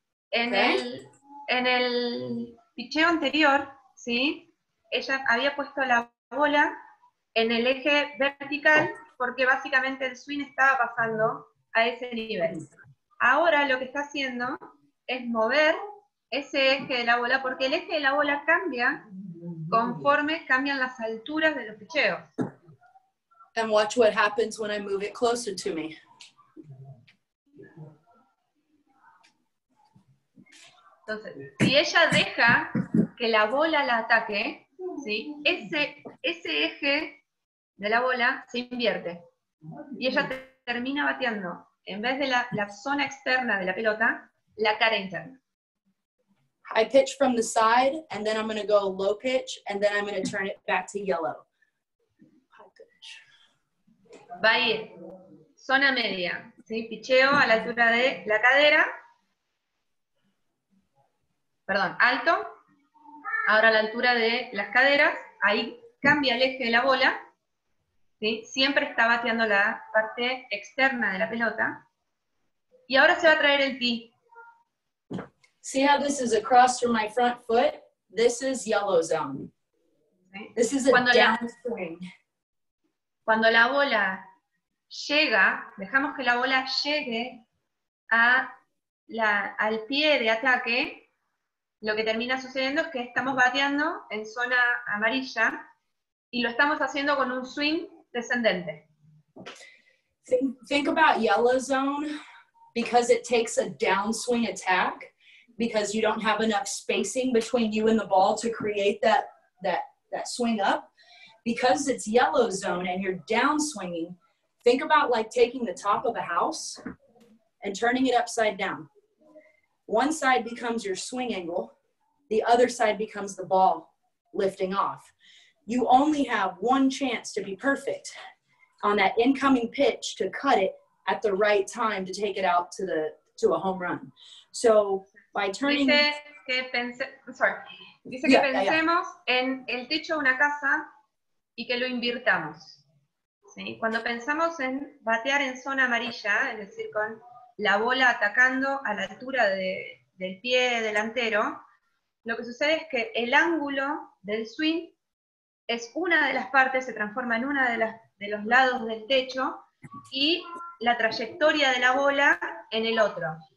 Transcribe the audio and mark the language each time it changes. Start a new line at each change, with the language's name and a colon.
Spanish: En el picheo anterior, ¿sí?, ella había puesto la bola en el eje vertical porque básicamente el swing estaba pasando a ese nivel. Ahora lo que está haciendo es mover ese eje de la bola, porque el eje de la bola cambia conforme cambian las alturas de los picheos.
English: And watch what happens when I move it closer to me.
Spanish: Entonces, si ella deja que la bola la ataque, ¿sí?, ese eje de la bola se invierte. Y ella termina bateando, en vez de la zona externa de la pelota, la cara interna.
English: I pitch from the side, and then I'm going to go low pitch, and then I'm going to turn it back to yellow. High pitch.
Spanish: Va a ir zona media, ¿sí?, picheo a la altura de la cadera. Perdón, alto. Ahora a la altura de las caderas. Ahí cambia el eje de la bola, ¿sí? Siempre está bateando la parte externa de la pelota. Y ahora se va a traer el tee.
English: See how this is across from my front foot? This is yellow zone. This is a downswing.
Spanish: Cuando la bola llega, dejamos que la bola llegue a la, al pie de ataque, lo que termina sucediendo es que estamos bateando en zona amarilla y lo estamos haciendo con un swing descendente.
English: Think about yellow zone because it takes a downswing attack because you don't have enough spacing between you and the ball to create that swing up. Because it's yellow zone and you're downswinging, think about like taking the top of a house and turning it upside down. One side becomes your swing angle, the other side becomes the ball lifting off. You only have one chance to be perfect on that incoming pitch to cut it at the right time to take it out to the to a home run. So by turning...
Spanish: Dice que pensemos en el techo de una casa y que lo invirtamos. ¿Sí? Cuando pensamos en batear en zona amarilla, es decir, con la bola atacando a la altura de, del pie delantero, lo que sucede es que el ángulo del swing es una de las partes, se transforma en una de, las, de los lados del techo, y la trayectoria de la bola en el otro.